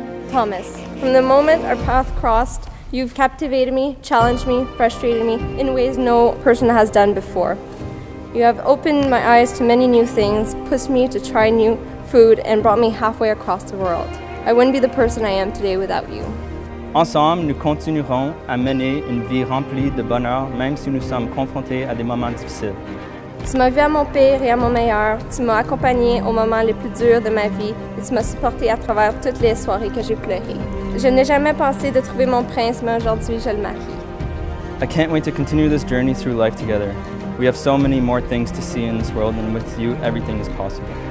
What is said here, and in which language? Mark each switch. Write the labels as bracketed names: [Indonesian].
[English] Thomas, from the moment our path crossed, you've captivated me, challenged me, frustrated me in ways no person has done before. You have opened my eyes to many new things, pushed me to try new food, and brought me halfway across the world. I wouldn't be the person I am today without you. [French] Ensemble, nous continuerons à mener une vie remplie de bonheur, même si nous sommes confrontés à des moments difficiles. Tu m'as vu à mon pire et à mon meilleur. Tu m'as accompagné aux moments les plus durs de ma vie et tu m'as supporté à travers toutes les soirées que j'ai pleurées. Je n'ai jamais pensé de trouver mon prince, mais aujourd'hui, je le marie. [English] I can't wait to continue this journey through life together. We have so many more things to see in this world, and with you, everything is possible.